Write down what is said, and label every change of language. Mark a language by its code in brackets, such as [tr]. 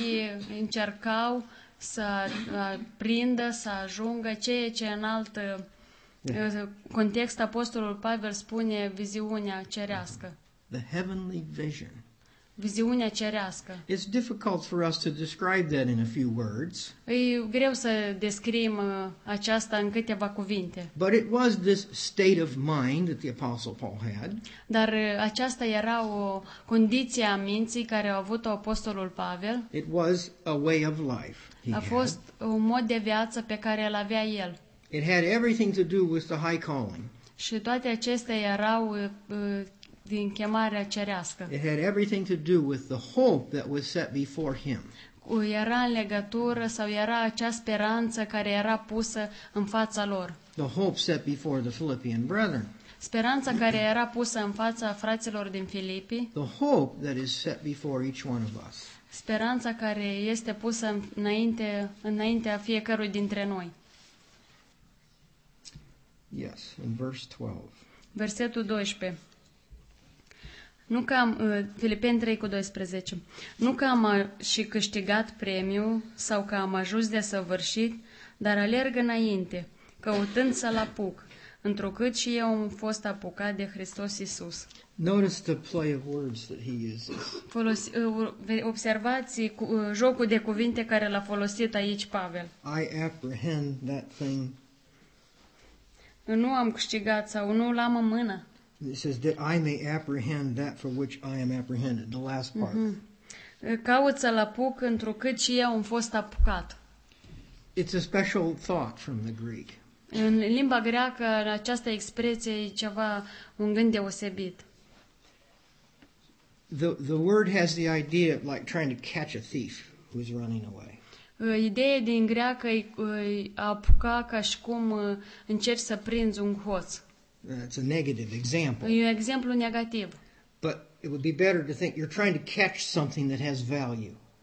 [ro] Ei încercau să prindă, să ajungă ceea ce în alt context apostolul Pavel spune viziunea cerească. [en] The heavenly vision. [ro] Viziunea cerească. [en] It's difficult for us to describe that in a few words. [ro] E greu să descriem aceasta în câteva cuvinte. [en] But it was this state of mind that the apostle Paul had. [ro] Dar aceasta era o condiție a minții care a avut apostolul Pavel. [en] It was a way of life. [ro] A fost un mod de viață pe care îl avea el. [en] It had everything to do with the high calling. [ro] Și toate acestea erau din chemarea cerească. [en] It had everything to do with the hope that was set before him. [ro] Era în legătură sau era acea speranță care era pusă în fața lor. [en] The hope set before the Philippian brethren. [ro] Speranța care era pusă în fața fraților din Filipi. [en] The hope that is set before each one of us. [ro] Speranța care este pusă înaintea fiecărui dintre noi. [en] Yes, in verse 12. [ro] Versetul 12. Nu că am Filipeni 3:12. Nu că am și câștigat premiu sau că am ajuns de săvârșit, dar alerg înainte, căutând să-l apuc, întrucât și eu am fost apucat de Hristos Iisus. [en] Notice the play of words that he uses. [ro] Observați jocul de cuvinte care l-a folosit aici Pavel. [en] I apprehend that thing. [ro] Nu am câștigat sau nu l-am în mână. [en] It says that I may apprehend that for which I am apprehended, the last part. [ro] Caut să-l apuc întrucât și eu am fost apucat. [en] It's a special thought from the Greek. [ro] În limba greacă această expresie e ceva, un gând deosebit. [en] The word has the idea of like trying to catch a thief who is running away. [ro] Ideea din greacă e apuca ca și cum încerci să prinzi un hoț. [en] It's a negative example. [ro] E un exemplu negativ. [en] But it would be better to think you're trying to catch something that has value.